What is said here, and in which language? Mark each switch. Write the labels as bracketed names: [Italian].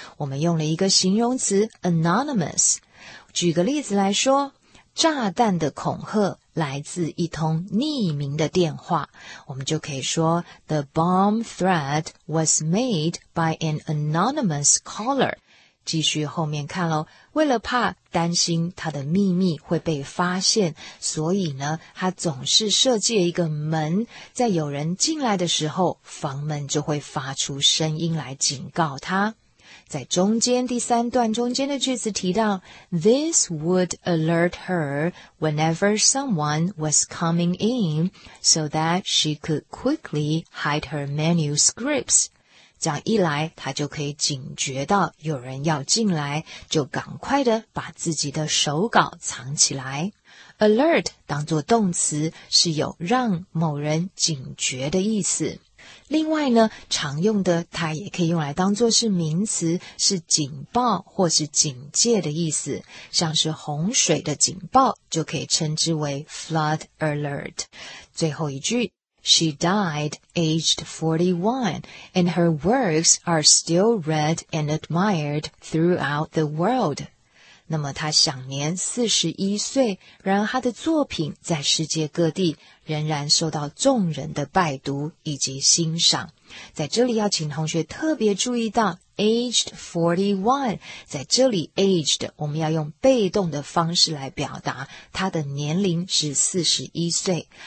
[Chinese] 我们用了一个形容词 anonymous。举个例子来说，炸弹的恐吓来自一通匿名的电话，我们就可以说 [English] The bomb threat was made by an anonymous caller. [Chinese] 继续后面看咯，为了怕担心他的秘密会被发现，所以呢，他总是设计一个门，在有人进来的时候，房门就会发出声音来警告他。在中间第三段中间的句子提到 [English] This would alert her whenever someone was coming in so that she could quickly hide her manuscripts. [Chinese] 这样一来她就可以警觉到有人要进来就赶快的把自己的手稿藏起来。 Alert 当作动词是有让某人警觉的意思。另外呢，常用的它也可以用来当作是名词，是警报或是警戒的意思。像是洪水的警报就可以称之为 flood alert。最后一句 [English] She died aged 41 and her works are still read and admired throughout the world. [Chinese] 那么她享年41岁，然而她的作品在世界各地仍然受到众人的拜读以及欣赏。在这里要请同学特别注意到 aged 41, 在这里 aged 我们要用被动的方式来表达他的年龄是41岁。